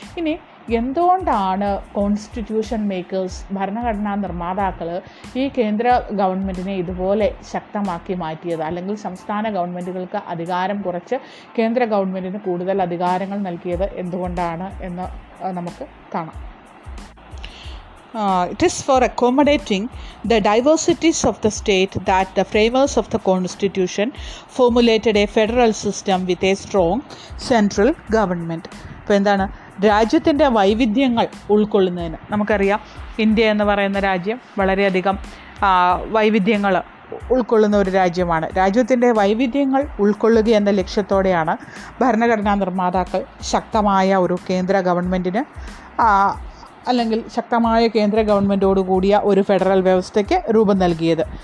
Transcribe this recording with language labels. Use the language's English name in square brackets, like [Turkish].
[Malayalam] ഇനി എന്തുകൊണ്ടാണ് constitution makers, ഭരണഘടനാ നിർമ്മാതാക്കൾ ഈ കേന്ദ്ര ഗവൺമെൻറ്റിനെ ഇതുപോലെ ശക്തമാക്കി മാറ്റിയത്, അല്ലെങ്കിൽ സംസ്ഥാന ഗവൺമെൻറ്റുകൾക്ക് അധികാരം കുറച്ച് കേന്ദ്ര ഗവൺമെൻറ്റിന് കൂടുതൽ അധികാരങ്ങൾ നൽകിയത് എന്തുകൊണ്ടാണ് എന്ന് നമുക്ക് കാണാം. [English] It is for accommodating the diversities of the state that the framers of the constitution formulated a federal system with a strong central government. [Malayalam] ഇപ്പോൾ എന്താണ്, രാജ്യത്തിൻ്റെ വൈവിധ്യങ്ങൾ ഉൾക്കൊള്ളുന്നതിന്. നമുക്കറിയാം ഇന്ത്യ എന്ന് പറയുന്ന രാജ്യം വളരെയധികം വൈവിധ്യങ്ങൾ ഉൾക്കൊള്ളുന്ന ഒരു രാജ്യമാണ്. രാജ്യത്തിൻ്റെ വൈവിധ്യങ്ങൾ ഉൾക്കൊള്ളുക എന്ന ലക്ഷ്യത്തോടെയാണ് ഭരണഘടനാ നിർമ്മാതാക്കൾ ശക്തമായ ഒരു കേന്ദ്ര ഗവൺമെൻറ്റിന്, അല്ലെങ്കിൽ ശക്തമായ കേന്ദ്ര ഗവൺമെൻറ്റോടുകൂടിയ ഒരു ഫെഡറൽ വ്യവസ്ഥയ്ക്ക് രൂപം നൽകിയത്.